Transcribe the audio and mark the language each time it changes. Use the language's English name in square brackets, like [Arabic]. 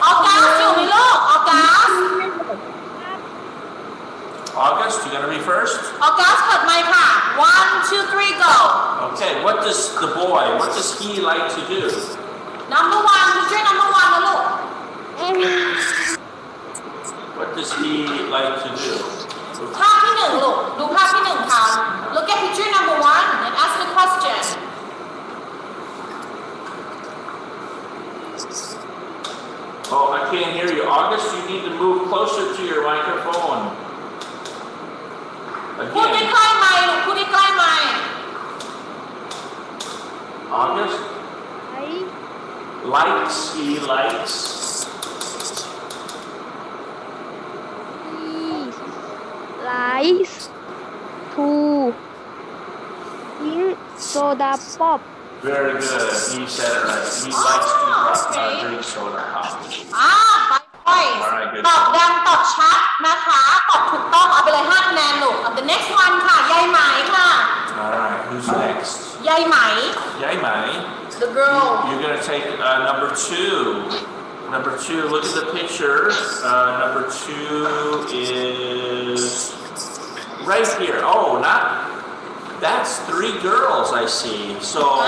[Thai] August, อยู่ไหมลูก August [English] August, you gonna be first? August, [Thai] เปิดไมค์ค่ะ [English] One, two, three, go. Okay, what does the boy, what does he like to do? Number one, who's your number one, Lulu? What does he like to do? Page 1, Lulu. Do page 1, ค่ะ. Look at picture number one and ask the question. Oh, I can't hear you. August, you need to move closer to your microphone. [Thai] พูดใกล้ไมค์ลูกพูดใกล้ไม [English] ค์ August likes he likes likes to soda pop. Very good. He said it right. He likes to drink, drink soda pop. [Thai] ตอบดังตอบชัดนะคะตอบถูกต้องเอาไปเลย5คะแนนลูก [English] The next one [Thai] ค่ะยายไหมค่ะ [English] Who's next [Thai] ยายไหม ยายไหม [English] The girl You're gonna take number two Number two look at the picture Number two is right here Oh not That's three girls I see So